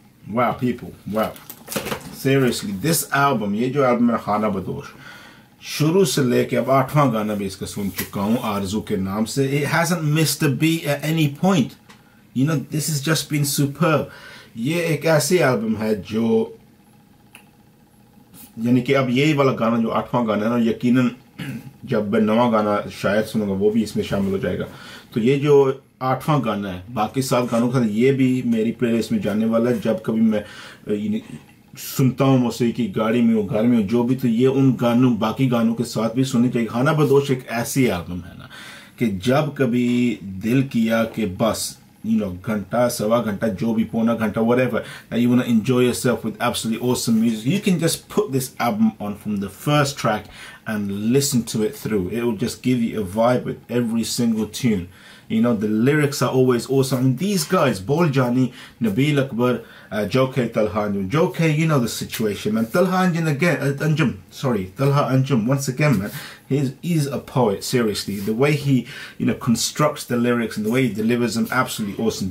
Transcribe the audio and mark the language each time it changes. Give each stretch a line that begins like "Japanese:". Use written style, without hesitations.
English: Wow, people, wow. Seriously, this album,
Hindi: ye jo album hai
English: Khana Badosh.
Hindi: Shuru se leke ab 8th gana bhi iska sun chuka hu Aarzu ke naam se.
English: It hasn't missed a beat at any point. You know, this has just been superb.
Hindi: Ye ek aisi album hai jo yani ki ab yahi wala gana jo 8th gana hai na yakeenan जब मैं नवा गाना शायद सुनूंगा वो भी इसमें शामिल हो जाएगा तो ये जो 8th गाना है बाकी सात गानों का ये भी मेरी प्लेलिस्ट में जाने वाला है जब कभी मैं सुनता हूँ मौसीकी गाड़ी में हो घर में हो जो भी, तो ये उन गानों बाकी गानों के साथ भी सुननी चाहिए। खाना बदोश एक ऐसी एल्बम है ना कि जब कभी दिल किया कि बस
English: you know
Hindi: घंटा सवा घंटा जो भी पौना घंटा
English: Whatever and you want to enjoy yourself with absolutely awesome music, you can just put this album on from the first track and listen to it through, it will just give you a vibe with every single tune. You know, the lyrics are always awesome. These guys, BOLJANI, NABEEL, AKBAR, Jokhay, TALHA, ANJUM. Jokhay, you know the situation, man. TALHA, ANJUM again. ANJUM, sorry. TALHA, ANJUM, once again, man. He's a poet, seriously. The way he, you know, constructs the lyrics and the way he delivers them, absolutely awesome.